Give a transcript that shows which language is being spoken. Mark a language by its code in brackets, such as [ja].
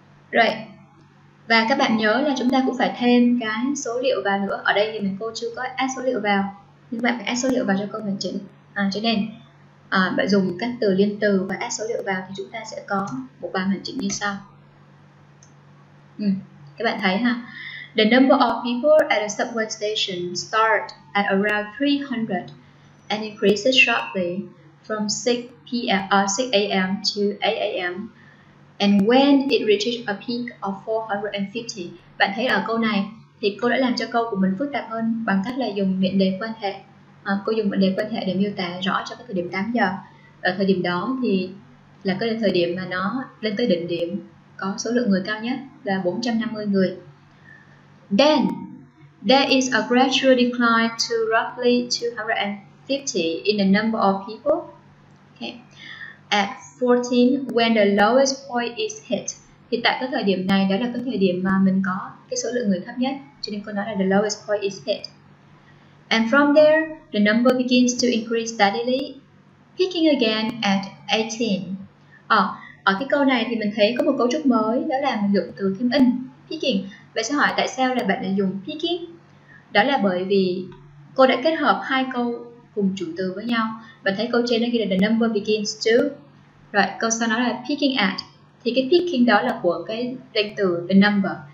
[vi] Rồi, và các bạn nhớ là chúng ta cũng phải thêm cái số liệu vào nữa. Ở đây thì mình cô chưa có add số liệu vào, nhưng bạn phải add số liệu vào cho câu hành trình. Cho nên bạn dùng các từ liên từ và add số liệu vào thì chúng ta sẽ có một bài hành trình như sau. Các bạn thấy ha, [en] the number of people at a subway station start at around 300 and increases sharply from 6 a.m. to 8 a.m. and when it reaches a peak of 450. [vi] Bạn thấy ở câu này thì cô đã làm cho câu của mình phức tạp hơn bằng cách là dùng mệnh đề quan hệ. Cô dùng mệnh đề quan hệ để miêu tả rõ cho cái thời điểm 8 giờ. Ở thời điểm đó thì là cái thời điểm mà nó lên tới đỉnh điểm, có số lượng người cao nhất là 450 người. [en] Then there is a gradual decline to roughly 250 in the number of people. Okay. At 14, when the lowest point is hit. [vi] Thì tại cái thời điểm này đó là cái thời điểm mà mình có cái số lượng người thấp nhất, cho nên cô nói là [en] the lowest point is hit. And from there, the number begins to increase steadily, peaking again at 18. [vi] Ở cái câu này thì mình thấy có một cấu trúc mới, đó là mình dùng từ thêm in, peaking. Vậy sẽ hỏi tại sao là bạn lại dùng peaking? Đó là bởi vì cô đã kết hợp hai câu cùng chủ từ với nhau. Bạn thấy câu trên nó ghi là [en] the number begins to. [vi] Rồi, câu sau nó là picking at. Thì cái picking đó là của cái danh từ the number.